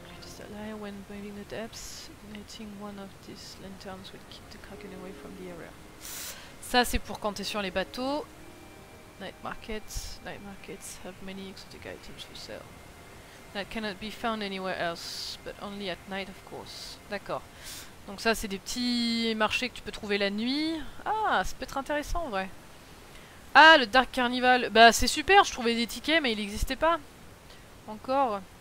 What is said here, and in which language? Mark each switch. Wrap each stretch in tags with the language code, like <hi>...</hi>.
<en>Greatest ally when braving the depths, igniting one of these lanterns will keep the kraken away from the area.</en> <fr>Ça c'est pour quand t'es sur les bateaux.</fr> <en>Night markets have many exotic items for sale. That cannot be found anywhere else, but only at night, of course.</en> <fr>D'accord. Donc ça, c'est des petits marchés que tu peux trouver la nuit. Ah, ça peut être intéressant, en vrai. Ah, le Dark Carnival. Bah, c'est super, je trouvais des tickets, mais il n'existait pas. Encore.</fr>